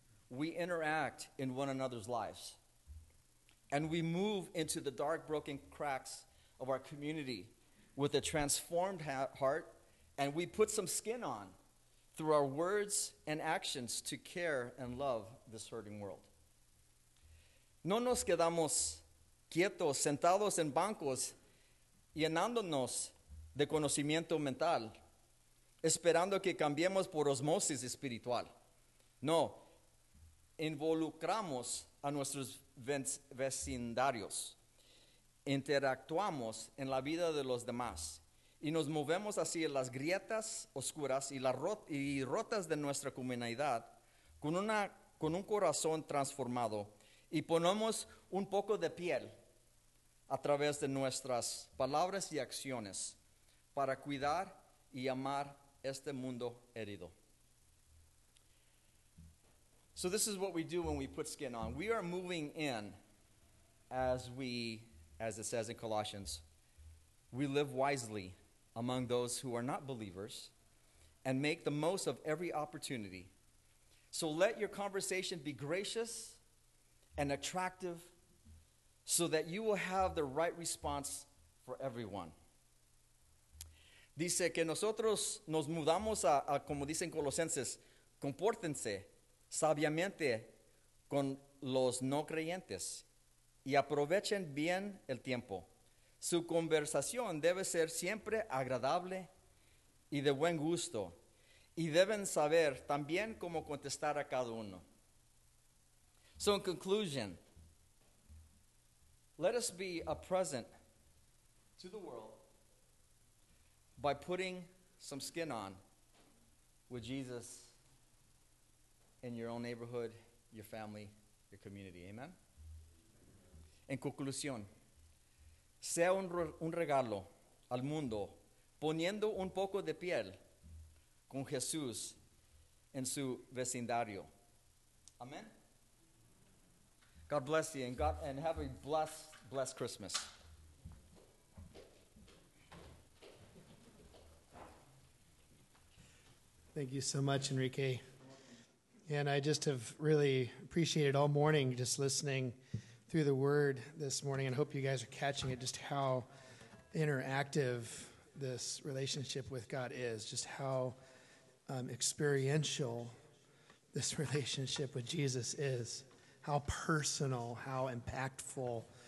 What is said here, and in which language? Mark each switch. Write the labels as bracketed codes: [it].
[en] We interact in one another's lives. And we move into the dark, broken cracks of our community with a transformed heart, and we put some skin on through our words and actions to care and love this hurting world. [es] No nos quedamos quietos, sentados en bancos, llenándonos de conocimiento mental, esperando que cambiemos por osmosis espiritual. No, involucramos a nuestros vecindarios, interactuamos en la vida de los demás, y nos movemos hacia las grietas oscuras y rotas de nuestra comunidad con un corazón transformado y ponemos un poco de piel a través de nuestras palabras y acciones para cuidar y amar este mundo herido. [en] So this is what we do when we put skin on. We are moving in as it says in Colossians, we live wisely among those who are not believers, and make the most of every opportunity. So let your conversation be gracious and attractive so that you will have the right response for everyone. [es] Dice que nosotros nos mudamos a como dicen Colosenses, compórtense sabiamente con los no creyentes y aprovechen bien el tiempo. Su conversación debe ser siempre agradable y de buen gusto. Y deben saber también cómo contestar a cada uno. [en] So in conclusion, let us be a present to the world by putting some skin on with Jesus in your own neighborhood, your family, your community. Amen? [es] En conclusión, sea un regalo al mundo, poniendo un poco de piel con Jesús en su vecindario. [en] Amen. God bless you, and God, and have a blessed Christmas. Thank you so much, Enrique. And I just have really appreciated all morning just listening through the word this morning, and hope you guys are catching it, just how interactive this relationship with God is, just how experiential this relationship with Jesus is, how personal, how impactful.